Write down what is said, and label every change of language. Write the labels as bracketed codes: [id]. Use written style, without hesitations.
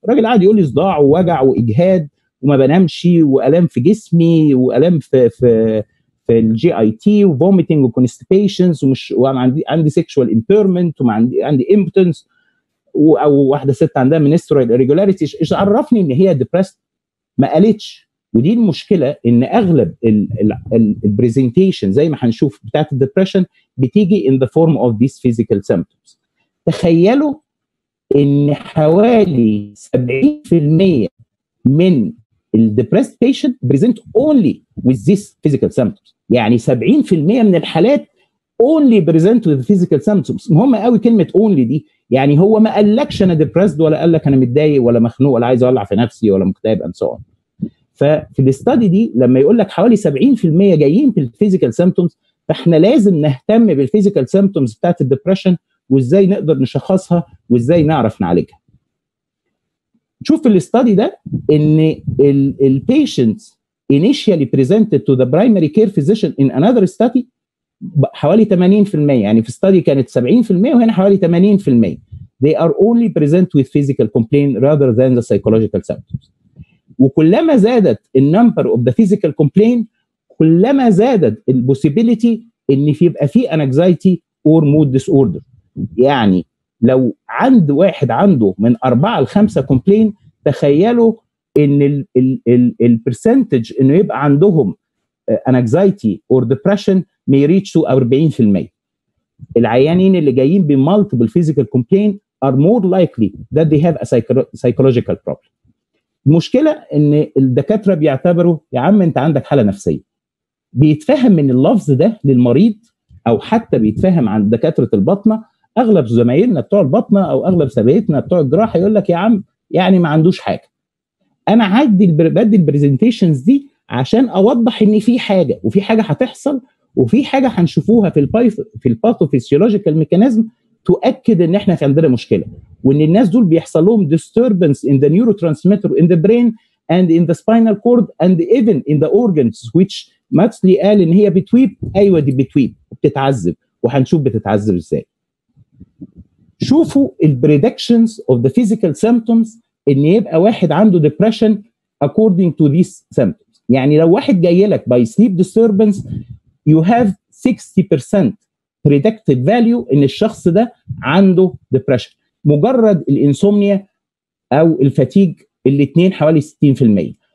[ar] الراجل قاعد يقول لي صداع ووجع واجهاد وما بنامش والام في جسمي والام في الجي اي تي وفوميتنج وكونستيبيشنز ومش وانا عندي سيكشوال امبيرمنت وعندي امبوتنس، او واحده ست عندها منسترويد ريجولاريتي. ايش عرفني ان هي ديبرست؟ ما قالتش. ودي المشكلة، ان اغلب البريزنتيشن زي ما هنشوف بتاعت الدبريشن بتيجي [en] in the form of these physical symptoms. [ar] تخيلوا ان حوالي [en] 70% من الدبريست patient present only with these physical symptoms. [ar] يعني 70% من الحالات [en] only present with physical symptoms. [ar] مهمة قوي كلمة only دي، يعني هو ما قالكش انا depressed، ولا قالك انا متضايق ولا مخنوق ولا عايز اولع في نفسي ولا مكتئب [en] and so on. [ar] ففي الاستادي دي لما يقول لك حوالي 70% جايين في الفيزيكال سيمتومز، فاحنا لازم نهتم بالفيزيكال سيمتومز بتاعت الدبريشن وازاي نقدر نشخصها وازاي نعرف نعالجها. شوف في الاستادي ده ان البيشنتس انيشيالي بريزنتد تو ذا برايمري كير فيزيشن ان انذر استادي حوالي 80%، يعني في الاستادي كانت 70% وهنا حوالي 80%. [en] They are only present with physical complaint rather than the psychological symptoms. [ar] وكلما زادت النمبر of the physical complaint كلما زادت البوسيبيليتي ان يبقى في [en] anxiety or mood disorder. [ar] يعني لو عند واحد عنده من 4-5 complaint، تخيلوا ان ال percentage انه يبقى عندهم [en] anxiety or depression may reach to 40%. [ar] العيانين اللي جايين [en] ب multiple physical complaint are more likely that they have a psychological problem. [ar] المشكلة ان الدكاترة بيعتبروا يا عم انت عندك حالة نفسية، بيتفهم من اللفظ ده للمريض او حتى بيتفهم عن دكاترة البطنة. اغلب زمايلنا بتوع البطنة او اغلب سبايتنا بتوع الجراحة يقولك يا عم يعني ما عندوش حاجة. انا عادي بدي البرزنتيشنز دي عشان اوضح ان في حاجة، وفي حاجة هتحصل، وفي حاجة هنشوفوها في الباثوفيسيولوجيكال ميكانيزم تؤكد ان احنا في عندنا مشكلة، وان الناس دول بيحصل لهم [en] disturbance in the neurotransmitter in the brain and in the spinal cord and even in the organs which Maxley [ar] قال ان هي بتويب. ايوة دي بتويب، بتتعذب، وحنشوف بتتعذب ازاي. [en] شوفوا ال predictions of the physical symptoms ان يبقى واحد عنده depression according to these symptoms. [ar] يعني لو واحد جاي لك [en] by sleep disturbance you have [ar] 60% [en] predictive value [ar] ان الشخص ده عنده depression. مجرد الانسومنيا او الفاتيج الاثنين حوالي 60%.